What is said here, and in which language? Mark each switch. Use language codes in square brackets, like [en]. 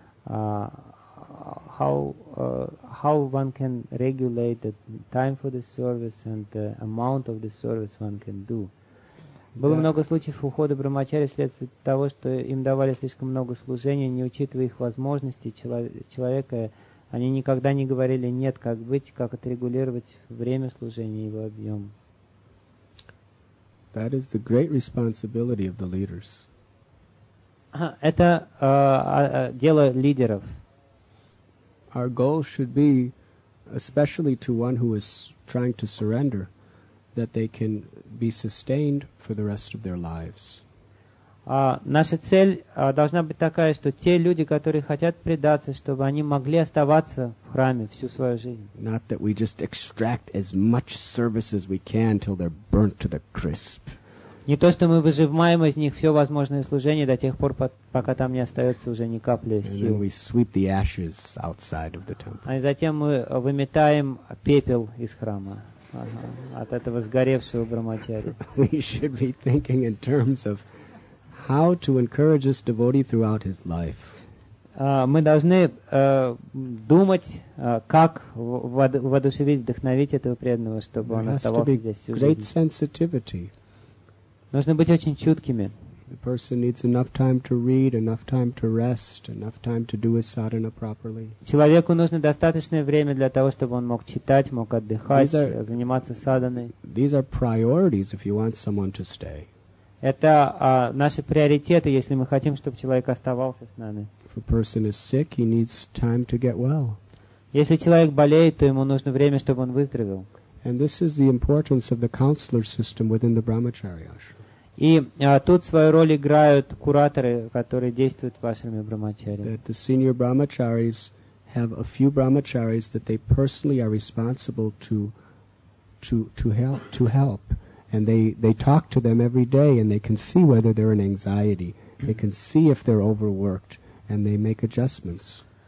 [en] How one can regulate the time for the service and the amount of the service one can do? [ru] Было много случаев ухода брахмачари вследствие того, что им давали слишком много служения, не учитывая их возможности человека. Они никогда не говорили «нет», как быть, как отрегулировать время служения и его объем. [en] That is the great responsibility of the leaders. [ru] Это дело лидеров. [en] Our goal should be, especially to one who is trying to surrender, that they can be sustained for the rest of their lives. [ru] Наша цель должна быть такая, что те люди, которые хотят предаться, чтобы они могли оставаться в храме всю свою жизнь. [en] Not that we just extract as much service as we can till they're burnt to the crisp. [ru] Не то, что мы выжимаем из них все возможное служение до тех пор, пока там не остается уже ни капли сил. [en] And then we sweep the ashes outside of the temple. [ru] А затем мы выметаем пепел из храма. От этого сгоревшего брахмачари. [en] We should be thinking in terms of how to encourage this devotee throughout his life. [ru] Мы должны думать, как воодушевить, вдохновить этого преданного, чтобы он оставался здесь всю жизнь. [en] Great sensitivity. [ru] Нужно быть очень чуткими. [en] The person needs enough time to read, enough time to rest, enough time to do his sadhana properly. [ru] Человеку нужно достаточное время для того, чтобы он мог читать, мог отдыхать, заниматься садханой. [en] These are priorities if you want someone to stay. [ru] Это наши приоритеты, если мы хотим, чтобы человек оставался с нами. [en] If a person is sick, he needs time to get well. [ru] Если человек болеет, то ему нужно время, чтобы он выздоровел. [en] And this is the importance of the counselor system within the Brahmacharya ashram. [ru] И тут свою роль играют кураторы, которые действуют в ашраме брахмачари. [en] That the senior brahmacharis have a few brahmacharis that they personally are responsible to help, and they talk to them every day, and they can see whether they're in anxiety, they can see if they're overworked, and they make adjustments.